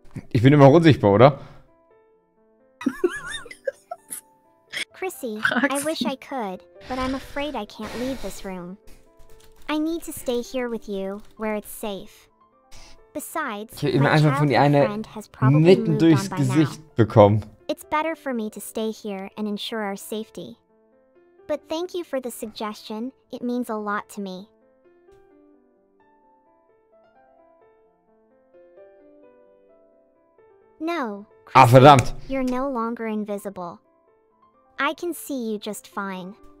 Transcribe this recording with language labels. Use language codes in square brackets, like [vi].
[de] Ich bin immer unsichtbar, oder? [en] Chrissy, I wish I could, but I'm afraid I can't leave this room. I need to stay here with you, where it's safe. Besides, [de] ich habe einfach von ihr eine mitten durchs Gesicht bekommen. [en] It's better for me to stay here and ensure our safety. But thank you for the suggestion. It means a lot to me. No. [de] Chrissy, verdammt. [en] You're no longer invisible. I can see you just fine.